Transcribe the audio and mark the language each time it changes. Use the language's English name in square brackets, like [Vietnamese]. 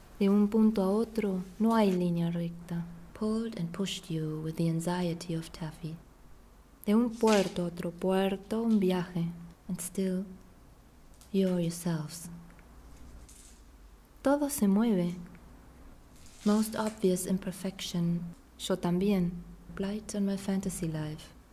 [Spanish] De un punto a otro, no hay línea recta. [English] Pulled and pushed you with the anxiety of taffy. [Spanish] De un puerto a otro puerto, un viaje. [English] And still, you're yourselves. [Spanish] Todo se mueve. [English] Most obvious imperfection. [Spanish] Yo también. [English] Blight on my fantasy life.